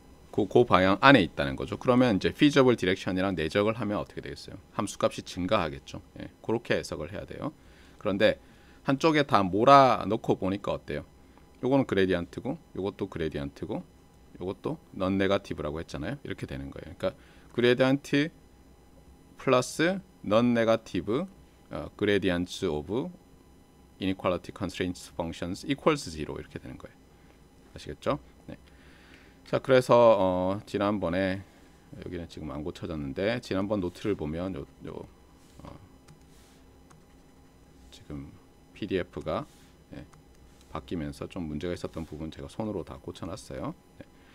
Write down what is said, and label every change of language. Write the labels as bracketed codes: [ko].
[ko] 그 방향 안에 있다는 거죠. 그러면 이제 feasible direction이랑 내적을 하면 어떻게 되겠어요? 함수값이 증가하겠죠. 예. 그렇게 해석을 해야 돼요. 그런데 한쪽에 다 몰아넣고 보니까 어때요? 요거는 그레디언트고 요것도 그레디언트고 요것도 non negative라고 했잖아요. 이렇게 되는 거예요. 그러니까 [en] 그레디언트 플러스 non negative gradients of inequality constraints functions equals 0 [ko] 이렇게 되는 거예요. 아시겠죠? 네. 자, 그래서 지난번에 여기는 지금 안 고쳐졌는데 지난번 노트를 보면 지금 PDF가 예, 바뀌면서 좀 문제가 있었던 부분 제가 손으로 다 고쳐놨어요. 예.